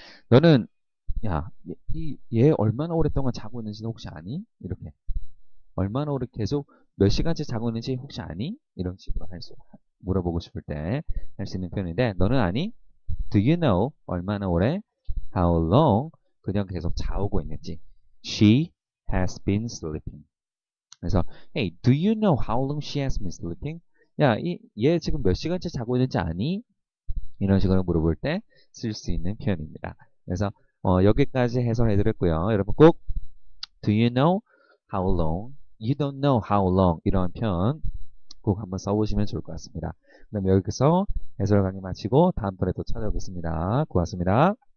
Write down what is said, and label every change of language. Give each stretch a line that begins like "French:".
Korean: 너는 야, 얘 얼마나 오랫동안 자고 있는지 혹시 아니? 이렇게. 얼마나 오래 계속 몇 시간째 자고 있는지 혹시 아니? 이런 식으로 할 수, 물어보고 싶을 때 할 수 있는 표현인데, 너는 아니?
English: Do you know?
Korean: 얼마나 오래?
English: How long?
Korean: 그냥 계속 자오고 있는지.
English: She has been sleeping.
Korean: 그래서,
English: hey, do you know how long she has been sleeping?
Korean: 야, 얘 지금 몇 시간째 자고 있는지 아니? 이런 식으로 물어볼 때 쓸 수 있는 표현입니다. 그래서, 여기까지 해설해 드렸고요. 여러분 꼭
English: Do you know how long? You don't know how long?
Korean: 이런 표현 꼭 한번 써보시면 좋을 것 같습니다. 그럼 여기서 해설 강의 마치고 다음번에 또 찾아오겠습니다. 고맙습니다.